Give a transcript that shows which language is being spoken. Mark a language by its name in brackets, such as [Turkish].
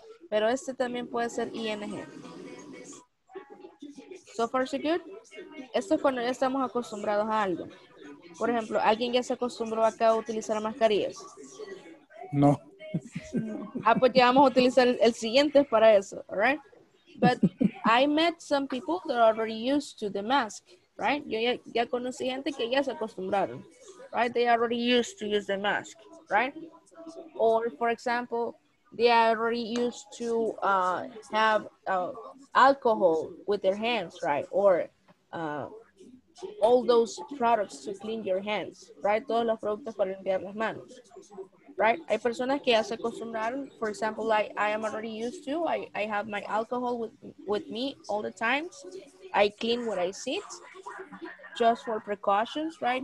[Spanish] Pero este también puede ser ing. [English] So far, so good. [Spanish] Esto es cuando ya estamos acostumbrados a algo. Por ejemplo, ¿alguien ya se acostumbró acá a utilizar mascarillas? No. Ah, pues ya vamos a utilizar el siguiente para eso, [English] all right? But I met some people that are already used to the mask, right? [Spanish] Yo ya conocí gente que ya se acostumbraron, [English] right? They are already used to use the mask, right? Or, for example, they are already used to have alcohol with their hands, right? Or all those products to clean your hands, right? [Spanish] Todos los productos para limpiar las manos, right? Hay personas que ya se acostumbraron. [English] For example, I am already used to. I have my alcohol with me all the time. I clean where I sit just for precautions, right?